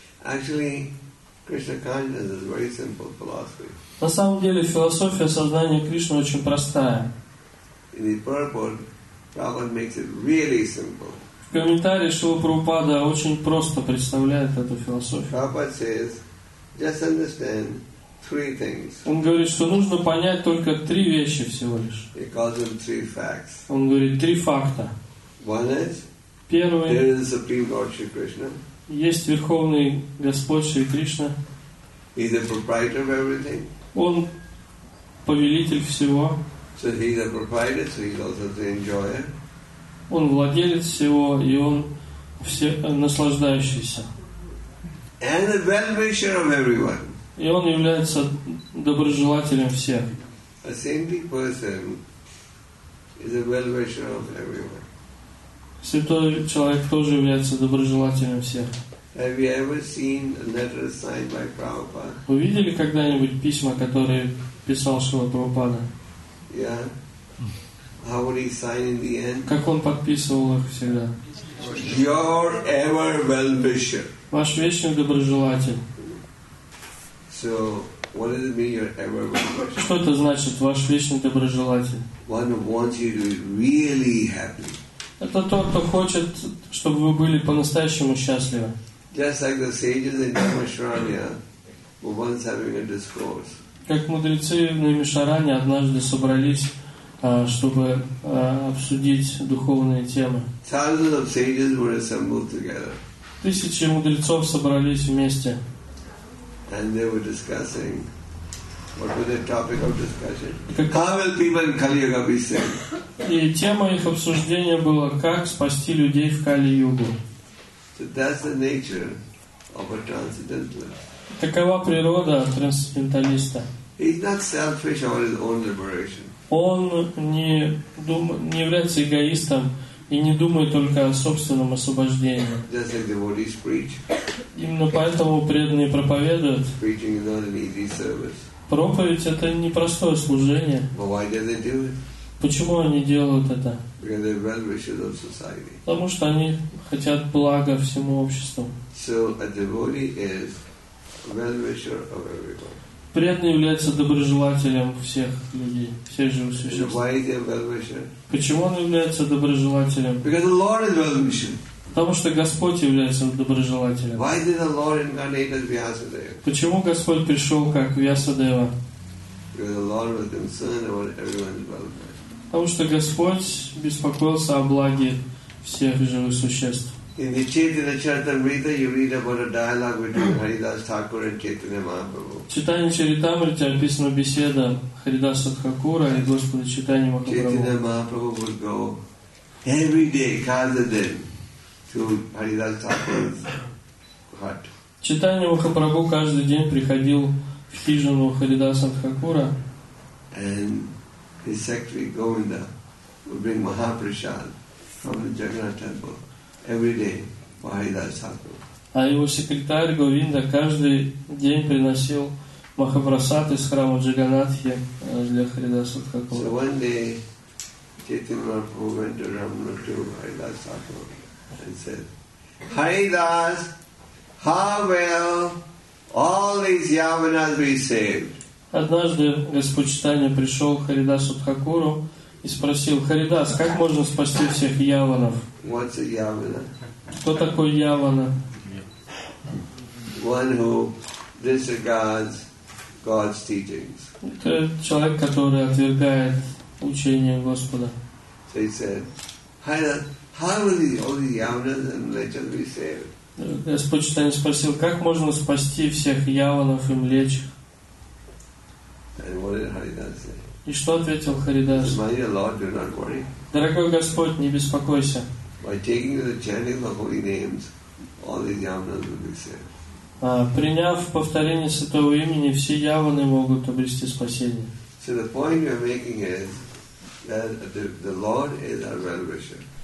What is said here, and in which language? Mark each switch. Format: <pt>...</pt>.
<ru>На самом деле философия сознания Кришны очень простая.</ru> <en>In the purport, Prabhupada makes it really simple.</en> <ru>В комментарии Шрилы Прабхупада очень просто представляет эту философию.</ru> <en>Prabhupada says, just understand three things.</en> <ru>Он говорит, что нужно понять только три вещи всего лишь.</ru> <en>He calls them three facts.</en> <ru>Он говорит три факта.</ru> <en>One is,</en> <ru>первый,</ru> <en>there is the Supreme Lord Shri Krishna.</en> <ru>Есть Верховный Господь Шри Кришна.</ru> <en>He's the proprietor of everything.</en> <ru>Он повелитель всего.</ru> <en>So he's a provider, so he's also the enjoyer.</en> <ru>Он владелец всего, и он все наслаждающийся.</ru> <en>And the well-wisher of everyone.</en> <ru>И он является доброжелателем всех.</ru> <en>A saintly person is a well-wisher of everyone.</en> <ru>Святой человек тоже является доброжелателем всех.</ru> <en>Have you ever seen a letter signed by Prabhupada?</en> <ru>Вы видели когда-нибудь письма, которые писал Шрила Прабхупада?</ru> <en>Yeah. How would he sign in the end?</en> <ru>Как он подписывал их всегда?</ru> <en>Your ever well-wisher.</en> <ru>Ваш вечный доброжелатель.</ru> <en>So, what does it mean, your ever well-wisher?</en> <ru>Что это значит, ваш вечный доброжелатель?</ru> <en>One who wants you to be really happy.</en> <ru>Это тот, кто хочет, чтобы вы были по-настоящему счастливы.</ru> <en>Just like the sages in Dharmashranya were once having a discourse.</en> <ru>Как мудрецы в Наймишаране однажды собрались, чтобы обсудить духовные темы.</ru> <en>Thousands of sages were assembled together.</en> <ru>Тысячи мудрецов собрались вместе.</ru> <en>And they were discussing. What was the topic of discussion? How will people in Kali Yuga be saved?</en> <ru>И тема их обсуждения была, как спасти людей в Кали-Югу.</ru> <en>So that's the nature of a transcendentalist.</en> <ru>Такова природа трансценденталиста.</ru> <en>He's not selfish about his own liberation.</en> <ru>Он не является эгоистом и не думает только о собственном освобождении.</ru> <en>Just like devotees preach.</en> <ru>Именно поэтому преданные проповедуют.</ru> <en>Preaching is not an easy service.</en> <ru>Проповедь — это непростое служение.</ru> <en>But why do they do it?</en> <ru>Почему они делают это?</ru> <en>Because they're well-wishers of society.</en> <ru>Потому что они хотят блага всему обществу.</ru> <en>So a devotee is a well-wisher of everyone.</en> <ru>Преданный является доброжелателем всех людей, всех живых существ.</ru> <en>Why is he a well-wisher?</en> <ru>Почему он является доброжелателем?</ru> <en>Because the Lord is well-wishing.</en> <ru>Потому что Господь является доброжелателем.</ru> <en>Why did the Lord incarnate as Vyasadeva?</en> <ru>Почему Господь пришел как Вьясадева?</ru> <en>Because the Lord was concerned about everyone's well-being.</en> <ru>Потому что Господь беспокоился о благе всех живых существ.</ru> <en>In the Chaitanya Charitamrita you read about a dialogue between Haridas Thakur and Chaitanya Mahaprabhu.</en> <ru>В Читании Чаритамрите описана беседа Харидаса Тхакура и Господа Читания Махапрабху.</ru> <en>Chaitanya Mahaprabhu would go every day, cause a day, to Haridas Thakur's hut.</en> <ru>Читания Махапрабху каждый день приходил в хижину Харидаса Тхакура.</ru> <en>And his secretary Govinda would bring Mahaprasad from the Jagannath temple every day for Haridas Thakur.</en> <ru>А его секретарь Говинда каждый день приносил Махапрасад из храма Джаганнатхи для Харидаса Тхакура.</ru> <en>So one day, Chaitanya Mahaprabhu went to Ramana to Haridas Thakur and said, Haridas, how will all these yavanas be saved?</en> <ru>Однажды Господь Читания пришел к Харидасу Тхакуру и спросил, Харидас, как можно спасти всех яванов?</ru> <en>What's a yavana?</en> <ru>Кто такой явана?</ru> <en>One who disregards God's teachings.</en> <ru>Это человек, который отвергает учение Господа.</ru> <en>So he said, how will all the yavanas and mlechas be saved?</en> <ru>Господь Читания спросил, как можно спасти всех яванов и млечих?</ru> <en>And what did Haridas say?</en> <ru>И что ответил Харидас?</ru> <en>My dear Lord, do not worry.</en> <ru>Дорогой Господь, не беспокойся.</ru> <en>By taking the chanting of the holy names, all these yavanas will be saved.</en> <ru>Приняв повторение святого имени, все яваны могут обрести спасение.</ru> <en>So the point you are making is that the Lord is our well-wisher.</en>